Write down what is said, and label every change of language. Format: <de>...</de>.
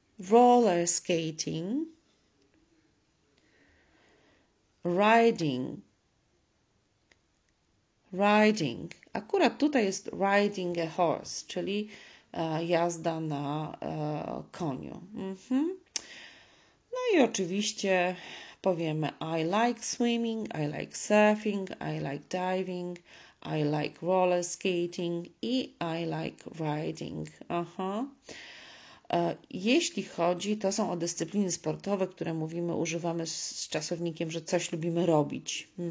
<en>Roller skating. Riding. Riding.</en> <pl>Akurat tutaj jest</pl> <en>riding a horse,</en> <pl>czyli jazda na koniu. No i oczywiście powiemy</pl> <en>I like swimming, I like surfing, I like diving, I like roller skating i I like riding. Aha.</en> <pl>Jeśli chodzi, to są o dyscypliny sportowe, które mówimy, używamy z czasownikiem, że coś lubimy robić.</pl>